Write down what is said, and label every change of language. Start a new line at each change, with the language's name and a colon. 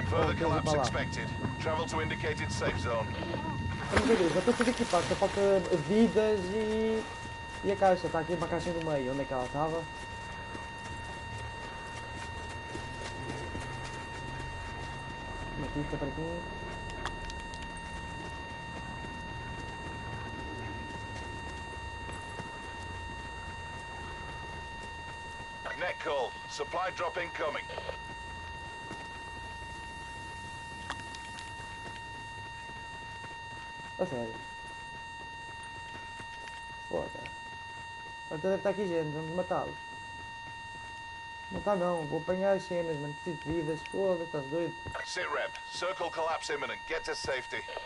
English: Further collapse expected. Travel to indicated safe zone.
Portuguese: Mas, meu Deus, eu estou tudo equipado. Só falta vidas e. E a caixa. Está aqui uma caixa no meio. Onde é que ela estava? Uma pista para aqui.
English: Call. Supply drop incoming. What's that? What the?
Portuguese: Agora deve estar aqui gente, vamos matá-lo. Matar não, vou apanhar as cenas, mano. Preciso de vidas, foda-se, estás doido.
English: Sit rep, circle collapse imminent, get to safety.